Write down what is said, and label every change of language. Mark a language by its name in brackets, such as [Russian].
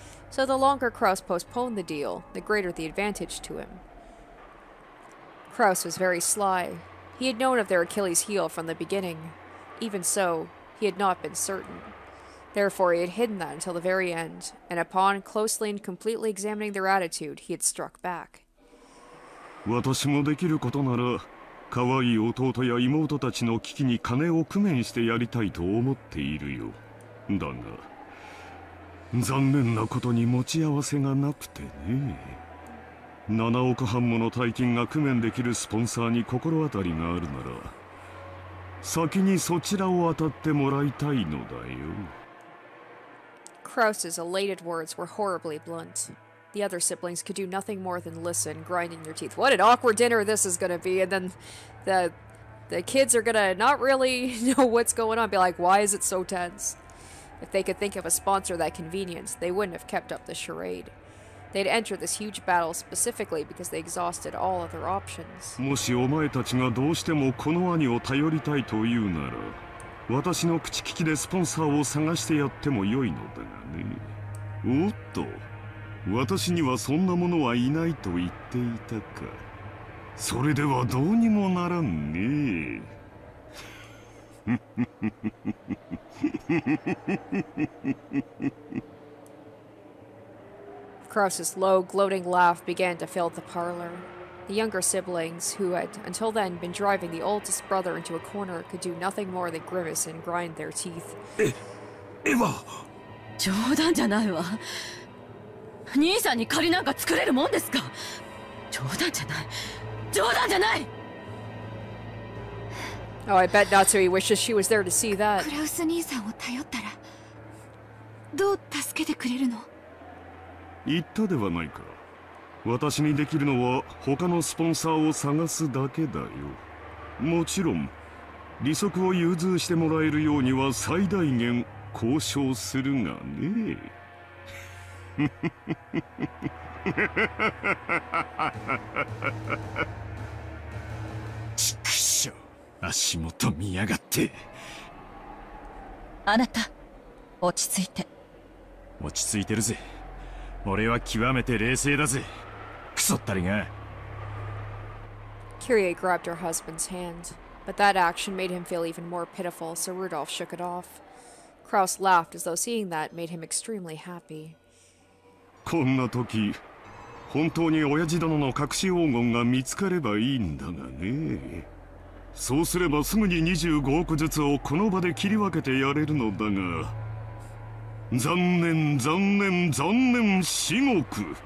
[English] So the longer Kraus postponed the deal, the greater the advantage to him. Kraus was very sly. He had known of their Achilles' heel from the beginning. Even so, he had not been certain. Therefore, he had hidden that until the very end, and upon closely and completely examining their attitude, he had struck back. [Japanese] 私もできることなら、可愛い弟や妹たちの危機に金を工面してやりたいと思っているよ。だが、残念なことに持ち合わせがなくてね。 7億半もの大金が工面できるスポンサーに心当たりがあるなら、先にそちらを当たってもらいたいのだよ。 [English] Kraus's elated words were horribly blunt. The other siblings could do nothing more than listen, grinding their teeth. What an awkward dinner this is going to be. And then the kids are going to not really know what's going on. Be like, why is it so tense? If they could think of a sponsor that convenient, they wouldn't have kept up the charade. They'd enter this huge battle specifically because they exhausted all other options. [Japanese] もしお前たちがどうしてもこの兄を頼りたいというなら私の口利きでスポンサーを探してやっても良いのだがね。おっと、私にはそんなものはいないと言っていたか。それではどうにもならんね。 [English] Kraus's low, gloating laugh began to fill the parlor. The younger siblings, who had, until then, been driving the oldest brother into a corner, could do nothing more than grimace and grind their teeth. Eva! [Japanese] 冗談じゃないわ。兄さんに借りなんか作れるもんですか。冗談じゃない。冗談じゃない。 [English] Oh, I bet Natsui wishes she was there to see that. [Japanese] クラウス兄さんを頼ったら、どう助けてくれるの。言ったではないか。私にできるのは他のスポンサーを探すだけだよ。もちろん利息を融通してもらえるようには最大限交渉するがね。ちくしょう、足元見やがって。あなた落ち着いて。落ち着いてるぜ。俺は極めて冷静だぜ、クソったりが。 [English] キュリエ grabbed her husband's hand, but that action made him feel even more pitiful, so Rudolph shook it off. Kraus laughed as though seeing that made him extremely happy. [Japanese] こんな時、本当に親父殿の隠し黄金が見つかればいいんだがね。そうすればすぐに25億ずつをこの場で切り分けてやれるのだが、残念残念残念至極。